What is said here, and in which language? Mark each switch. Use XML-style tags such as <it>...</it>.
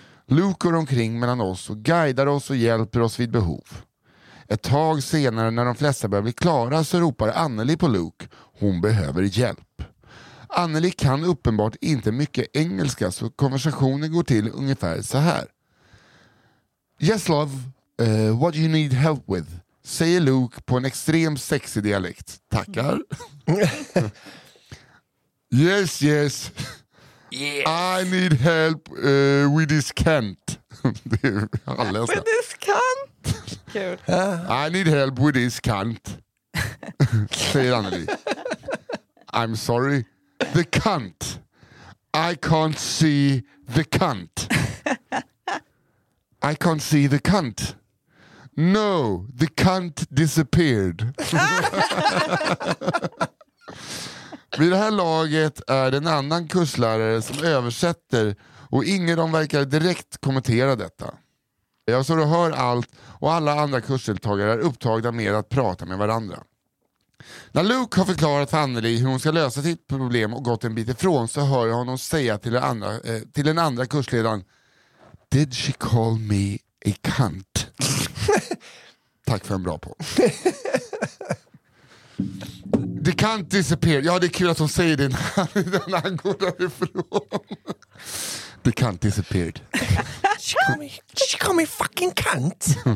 <sv>Luke går omkring mellan oss och guidar oss och hjälper oss vid behov. Ett tag senare när de flesta börjar bli klara så ropar Anneli på Luke. Hon behöver hjälp. Anneli kan uppenbart inte mycket engelska så konversationen går till ungefär så här.</sv> <en>Yes love, what do you need help with?</en> <sv>Säger Luke på en extrem sexy dialekt. Tackar.</sv> <en>Yes, yes. Yeah. I need help with this cant. With this cant? I need help with this cant.</en> <sv>säger</sv> <en>Anneli. I'm sorry. The cunt. I can't see the cunt. I can't see the cunt. No, the cunt disappeared.</en> <sv>Vid det här laget är det en annan kurslärare som översätter och ingen av dem verkar direkt kommentera detta. Jag står och hör allt och alla andra kursdeltagare är upptagna med att prata med varandra. När Luke har förklarat för Anneli hur hon ska lösa sitt problem och gått en bit ifrån så hör jag honom säga till den andra kursledaren:</sv> <en>Did she call me a cunt?</en> <sv>Tack för en bra på.</sv> <en>The cunt disappeared.</en> <sv>Ja, det är kul att hon säger det när han går därifrån.</sv> <en>The cunt disappeared. She called me fucking cunt.</en>